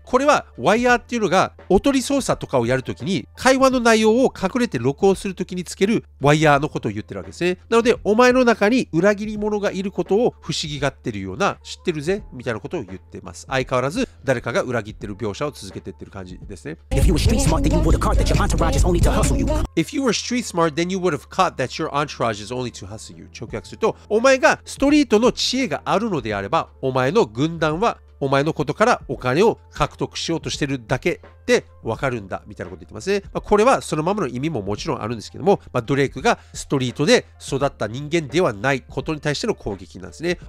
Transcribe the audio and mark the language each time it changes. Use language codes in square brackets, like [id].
[ja] これはワイヤーっていうのがおとり操作とかをやるときに会話の内容を隠れて録音するときにつけるワイヤーのことを言ってるわけですね。なのでお前の中に裏切り者がいることを不思議がってるような、知ってるぜみたいなことを言ってます。相変わらず誰かが裏切ってる描写を続けてってる感じですね。 [en] If you were street smart then you would have caught that your entourage is only to hustle you. If you were street smart then you would have caught that your entourage is only to hustle you. [ja] 直訳すると、お前がストリートの知恵があるのであれば、お前の軍団はお前のことからお金を獲得しようとしてるだけでわかるんだみたいなこと言ってますね。まあ、これはそのままの意味ももちろんあるんですけども、まあ、ドレイクがストリートで育った人間ではないことに対しての攻撃なんですね。